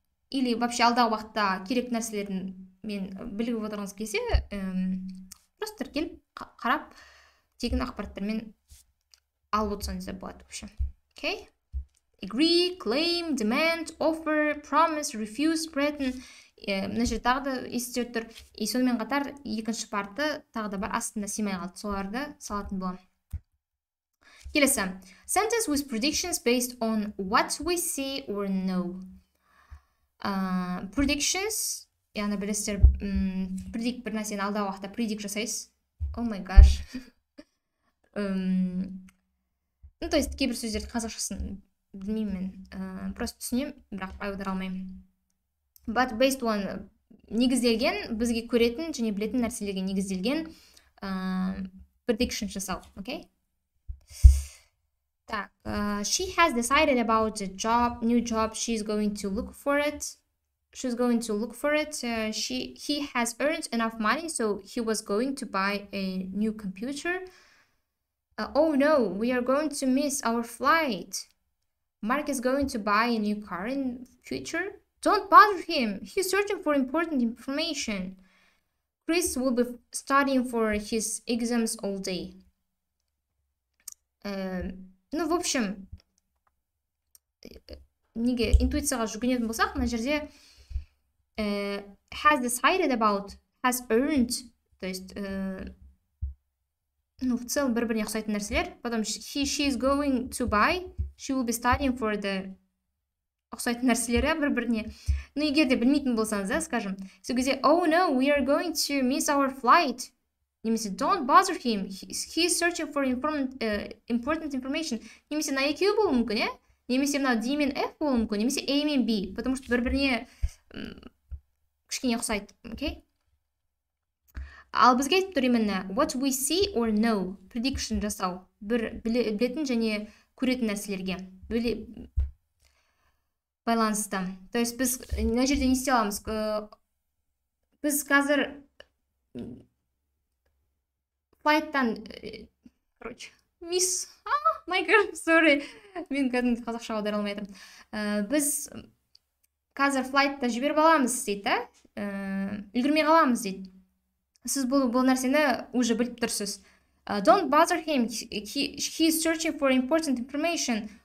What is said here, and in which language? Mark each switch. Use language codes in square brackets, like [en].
[ru] Или вообще [kk] алдағы уақытта керек нәрселерін мен біліп отырғыңыз келсе, просто тіркеліп қарап, тегін ақпараттармен алып отырсаңыз да болады, [ru] в общем. [en] Окей? Agree, claim, demand, offer, promise, refuse, threaten. [kk] Мына жерде тағы да есте тұр. И сонымен қатар екінші парты тағы да бар, астында сыймай қалды. Соларды салатын боламын. Келесі. [en] Sentence with predictions based on what we see or know. Predictions. [kk] Яғни білесіздер, predict бір нәрсені алдағы уақытта predict жасайсыз. [en] Oh my gosh. [ru] Ну, то есть, [kk] кейбір сөздерді қазақшасын білмеймін мен. [ru] Просто [kk] түсінемін, бірақ аудара алмаймын. [en] But based on [kk] негізделген, бізге көретін және білетін нәрселерге негізделген predictions жасау, окей? [ru] Так, [en] she has decided about the job, new job, she's going to look for it. She's going to look for it. He has earned enough money, so he was going to buy a new computer. Oh no, we are going to miss our flight. Mark is going to buy a new car in future. Don't bother him. He's searching for important information. Chris will be studying for his exams all day. [ru] Ну, в общем, [kk] неге интуицияға жүгінетін болсақ, мына жерде [en] has decided about, has earned, [ru] то есть, ну, в целом [kk] бір-біріне ұқсайтын нәрселер, потом [en] she is going to buy, she will be studying for the [kk] ұқсайтын нәрселері бір-біріне. Ну, егер де білмейтін болсаңыз, [ru] да, скажем, [kk] сол кезде, [en] oh no, we are going to miss our flight. [kk] Немесе, [en] don't bother him, he is searching for important information. [kk] Немесе, на EQ болу мүмкін, е? Немесе, мына D мен F болу мүмкін, немесе, A мен B. [ru] Потому что [kk] бір-біріне кішкене ұқсайды, окей? Ал бізге айтып тұр именно, [en] what we see or know, [kk] prediction жасау. Бір білетін және көретін нәрселерге. Байланысты. То есть, біз на жерде не істей аламыз? Біз қазір Python, [ru] короче, [en] miss, my girl, sorry, [kk] мен кәдімгі қазақша аудара алмай тұрмын. Біз қазір флайтта жіберіп аламыз дейді, үлгірмей қаламыз дейді. Сіз бұл нәрсені уже біліп тұрсыз. [en] Don't bother him, he is searching for important information.